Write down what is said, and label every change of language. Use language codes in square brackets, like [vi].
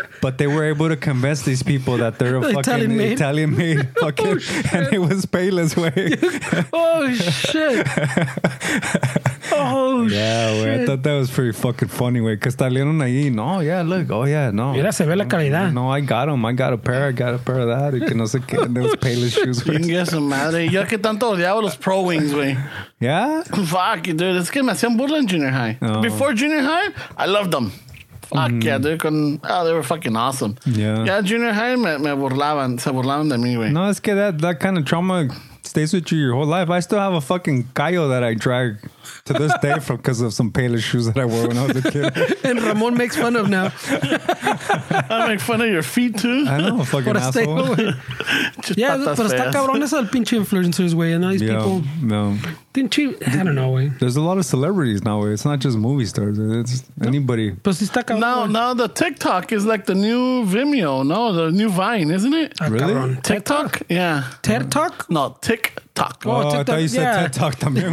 [en] But they were able to convince these people that they're a fucking Italian made fucking, and it was Payless way. Oh shit! Yeah, güey. I thought that was pretty fucking funny, güey. Que salieron ahí. No, yeah, look. Oh, yeah, no. [es] Mira, se ve la calidad. [en] No, I got them. I got a pair. I got a pair of that. [es] Y que no sé qué. And those Payless shoes, güey. Chingue su madre. Yo que tanto odiaba los Pro Wings, güey. [en] Yeah? Fuck, dude. [es] Es que me hacían burla en junior high. [en] Oh. Before junior high, I loved them. Fuck, yeah, dude. Con, oh, they were fucking awesome. Yeah. [es] Yeah, junior high, me burlaban. Se burlaban de mí, güey. [en] No, es que that kind of trauma stays with you your whole life. I still have a fucking Cayo that I drag to this day from because of some Payless shoes that I wore when I was a kid. And Ramon makes fun of now. I make fun of your feet too. I know, fucking asshole. Stay, [es] yeah, pero está cabrón esa del pinche influencers, güey. [en] And all these people. No. Didn't you? I don't know, güey. There's a lot of celebrities now, güey. It's not just movie stars. It's anybody. [es] Pues está cabrón. [en] Now the TikTok is like the new Vimeo. No, the new Vine, isn't it? Really? TikTok? Yeah. TED Talk? No, TikTok. Oh, TikTok. I thought you said TED Talk también.